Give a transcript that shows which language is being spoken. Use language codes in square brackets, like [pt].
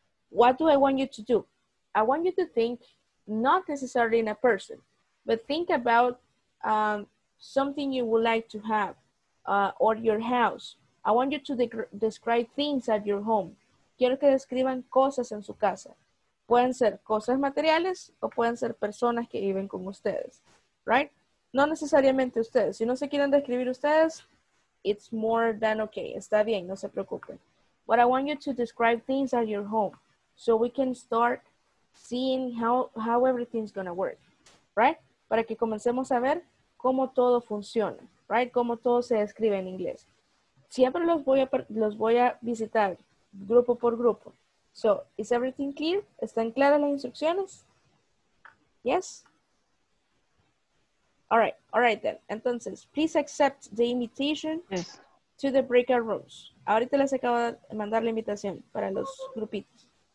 [en] What do I want you to do? I want you to think, not necessarily in a person, but think about something you would like to have or your house. I want you to describe things at your home. [es] Quiero que describan cosas en su casa. Pueden ser cosas materiales o pueden ser personas que viven con ustedes. Right? No necesariamente ustedes. Si no se quieren describir ustedes, [en] it's more than okay. [es] Está bien, no se preocupen. [en] But I want you to describe things at your home so we can start seeing how everything's going to work. Right? [es] Para que comencemos a ver cómo todo funciona. Right? Cómo todo se describe en inglés. Siempre los voy a visitar grupo por grupo. [en] So, is everything clear? [es] ¿Están claras las instrucciones? [en] Yes? All right then. Entonces, please accept the invitation to the breakout rooms. [es] Ahorita les acabo de mandar la invitación para los grupitos.